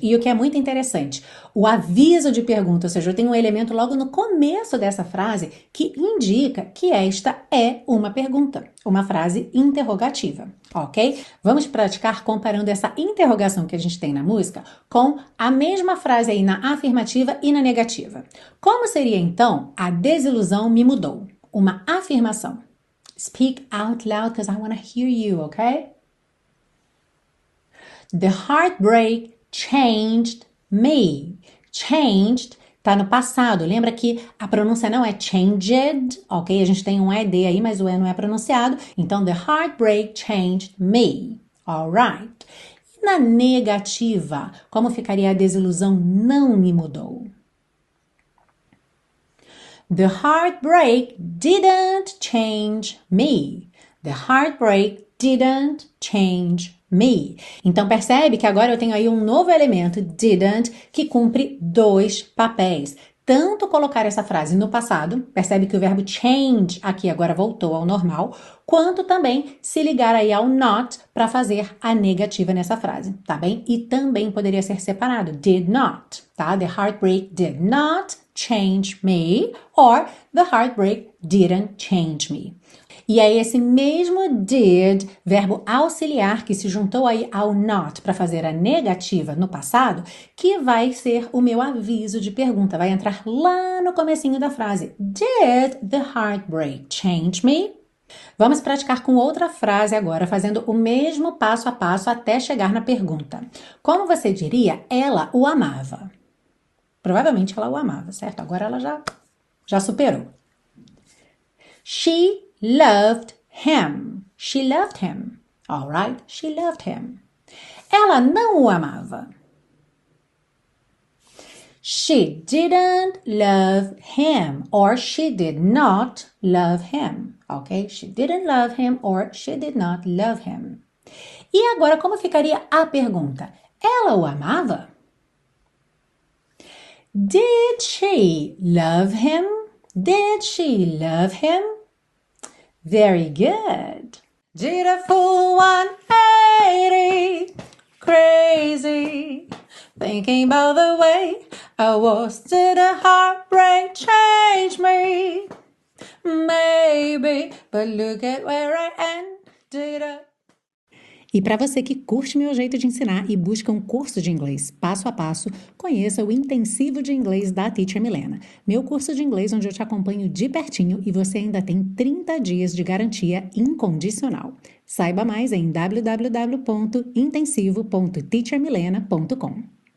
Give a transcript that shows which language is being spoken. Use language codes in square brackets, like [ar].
[pt] E o que é muito interessante, o aviso de pergunta, ou seja, eu tenho um elemento logo no começo dessa frase que indica que esta é uma pergunta, uma frase interrogativa, ok? Vamos praticar comparando essa interrogação que a gente tem na música com a mesma frase aí na afirmativa e na negativa. Como seria então a desilusão me mudou? Uma afirmação. [en] Speak out loud because I want to hear you, okay? The heartbreak changed me. [pt] Changed tá no passado. Lembra que a pronúncia não é changed, ok? A gente tem um ed aí, mas o e não é pronunciado. Então, [en] the heartbreak changed me. All right. [pt] E na negativa, como ficaria a desilusão não me mudou? [en] The heartbreak didn't change me. The heartbreak didn't change me. [pt] Então percebe que agora eu tenho aí um novo elemento, didn't, que cumpre dois papéis. Tanto colocar essa frase no passado, percebe que o verbo change aqui agora voltou ao normal, quanto também se ligar aí ao not para fazer a negativa nessa frase, tá bem? E também poderia ser separado, did not, tá? [en] The heartbreak did not change me, or the heartbreak didn't change me. [pt] E aí esse mesmo did, verbo auxiliar que se juntou aí ao not para fazer a negativa no passado, que vai ser o meu aviso de pergunta, vai entrar lá no comecinho da frase. [en] Did the heartbreak change me? [pt] Vamos praticar com outra frase agora, fazendo o mesmo passo a passo até chegar na pergunta. Como você diria, ela o amava? Provavelmente ela o amava, certo? Agora ela já superou. [en] She loved him. She loved him. All right? She loved him. [pt] Ela não o amava. [en] She didn't love him or she did not love him. Ok? She didn't love him or she did not love him. [pt] E agora, como ficaria a pergunta? Ela o amava? [en] Did she love him? Did she love him? Very good. Did a fool 180 crazy thinking about the way I was? Did a heartbreak change me? Maybe, but look at where I am. Did a... [pt] E para você que curte meu jeito de ensinar e busca um curso de inglês passo a passo, conheça o Intensivo de Inglês da Teacher Milena. Meu curso de inglês onde eu te acompanho de pertinho e você ainda tem 30 dias de garantia incondicional. Saiba mais em www.intensivo.teachermilena.com.